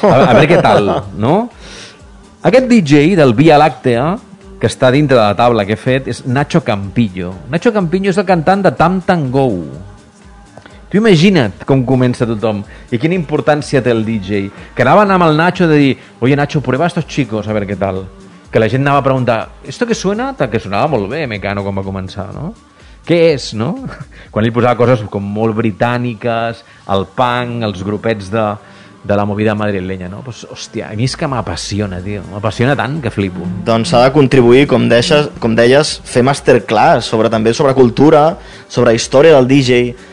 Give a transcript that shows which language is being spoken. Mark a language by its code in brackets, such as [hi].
[es] A ver qué tal, no? [ca] Aquest DJ del Via Láctea, que està dintre de la taula que he fet, és Nacho Campillo. Nacho Campillo és el cantant de Tam Tam Go. Tu imagina't com comença tothom i quina importància té el DJ. Que anava a anar amb el Nacho de dir, [es] oye Nacho, prueba estos chicos a ver qué tal. [ca] Que la gent anava a preguntar, [es] ¿esto qué suena? [ca] Que sonava molt bé Mecano quan va començar, no? Què és, no? Quan ell posava coses com molt britàniques, el punk, els grupets de la movida madrilenya, no? Pues, hòstia, a mi és que m'apassiona, tio. M'apassiona tant que flipo. Doncs s'ha de contribuir, com deies, fer masterclass sobre, també sobre cultura, sobre història del DJ...